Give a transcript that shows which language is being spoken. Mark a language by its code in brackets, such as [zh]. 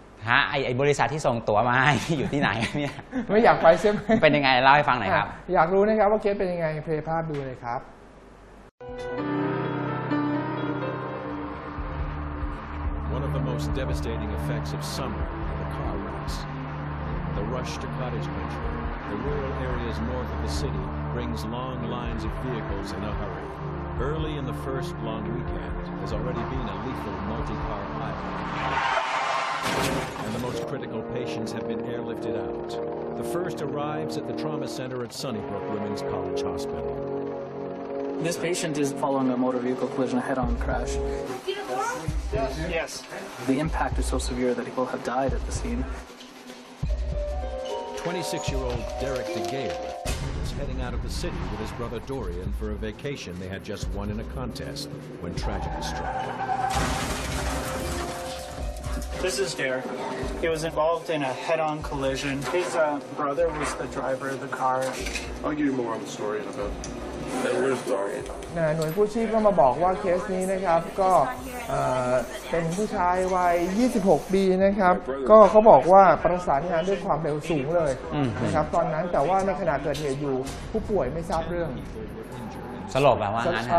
[th] ฮะไอบริษัทที่ส่งตั๋วมาให้อยู่ที่ไหนเนี่ ย ไม่อยากไปใช่ไหม เป็นยังไงเล่าให้ฟังหน่อยครับ อยากรู้นะครับว่าเคสเป็นยังไงเพลย์ภาพดูเลยครับ [en] One of the most devastating effects of summer are the car wrecks. The rush to cottage country, the rural areas north of the city, brings long lines of vehicles in a hurry. Early in the first long weekend has already been a lethal multi-car pileup. And the most critical patients have been airlifted out. The first arrives at the trauma center at Sunnybrook Women's College Hospital. This patient is following a motor vehicle collision, a head-on crash. Yes. The impact is so severe that people have died at the scene. 26-year-old Derek DeGale is heading out of the city with his brother Dorian for a vacation they had just won in a contest when tragedy struck. This is Derek. He was involved in a head-on collision. His brother was the driver of the car. I'll give you more on the story in a bit. [th] หน่วยกู้ชีพก็มาบอกว่าเคสนี้นะครับก็เป็นผู้ชายวัย26ปีนะครับก็เขาบอกว่าประสานงานด้วยความเร็วสูงเลยนะครับตอนนั้นแต่ว่าในขณะเกิดเหตุอยู่ผู้ป่วยไม่ทราบเรื่อง สลบแบบว่านั้น